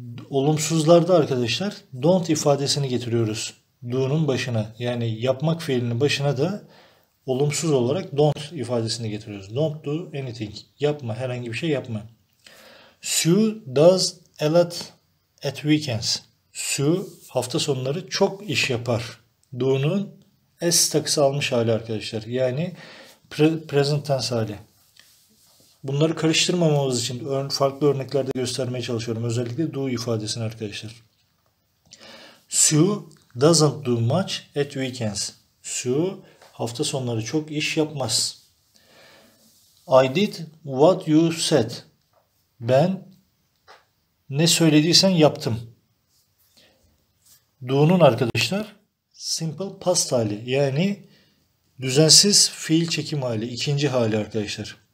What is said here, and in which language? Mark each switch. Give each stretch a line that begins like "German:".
Turkish: Olumsuzlarda arkadaşlar don't ifadesini getiriyoruz. Do'nun başına, yani yapmak fiilinin başına da olumsuz olarak don't ifadesini getiriyoruz.
English: Don't do anything,
Turkish: yapma, herhangi bir şey yapma.
English: Sue does a lot at weekends.
Turkish: Sue hafta sonları çok iş yapar. Do'nun s takısı almış hali arkadaşlar. Yani present tense hali. Bunları karıştırmamamız için farklı örneklerde göstermeye çalışıyorum. Özellikle do ifadesini arkadaşlar.
English: Sue doesn't do much at weekends.
Turkish: Sue hafta sonları çok iş yapmaz.
English: I did what you said.
Turkish: Ben ne söylediysen yaptım. Do'nun arkadaşlar simple past hali, yani düzensiz fiil çekim hali, ikinci hali arkadaşlar.